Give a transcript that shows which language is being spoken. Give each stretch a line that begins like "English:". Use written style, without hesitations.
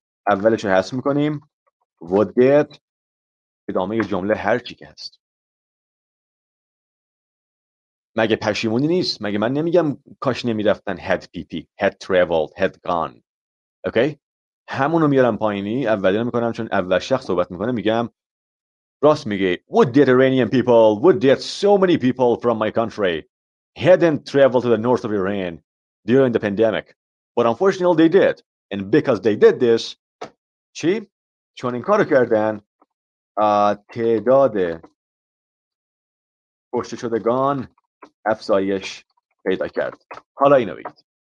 Persian: اولش رو حذف می‌کنیم.
English: Would that
Persian: ادامه جمله هر چی که هست. مگه پشیمونی نیست؟ مگه من نمیگم کاش نمی‌رفتن
English: had people had traveled had gone.
Persian: اوکی؟ همونو میارم پایینی، اولی رو می‌کنم چون اول شخص صحبت می‌کنه، میگم راست میگه.
English: Would that so many people from my country hadn't traveled to the north of Iran during the pandemic? But unfortunately they did. And because they did this,
Persian: چی؟ چون این کارو کردن، تعداد کشته شدگان افزایش پیدا کرد. حالا اینو بگید.